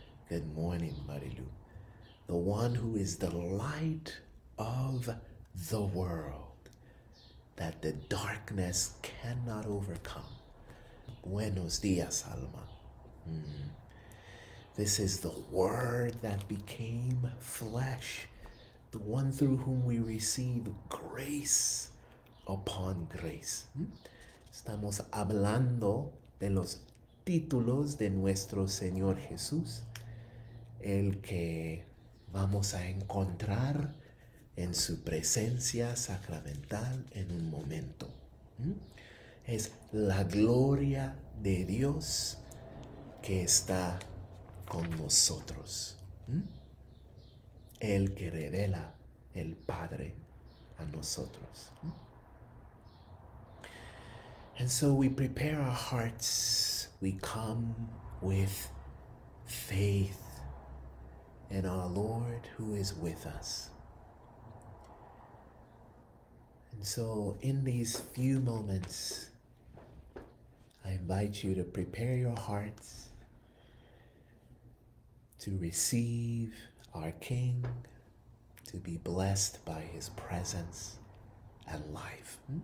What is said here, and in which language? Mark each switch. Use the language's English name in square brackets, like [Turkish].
[English] Good morning, Marilu. The one who is the light of the world, that the darkness cannot overcome. [Spanish] Buenos dias, [English] Alma. This is the Word that became flesh, the one through whom we receive grace upon grace. [Spanish] Estamos hablando de los títulos de nuestro Señor Jesús, el que vamos a encontrar en su presencia sacramental en un momento. Es la gloria de Dios que está con nosotros, el que revela el Padre a nosotros. [English] And so we prepare our hearts, we come with faith in our Lord who is with us. And so in these few moments, I invite you to prepare your hearts to receive our King, to be blessed by his presence and life.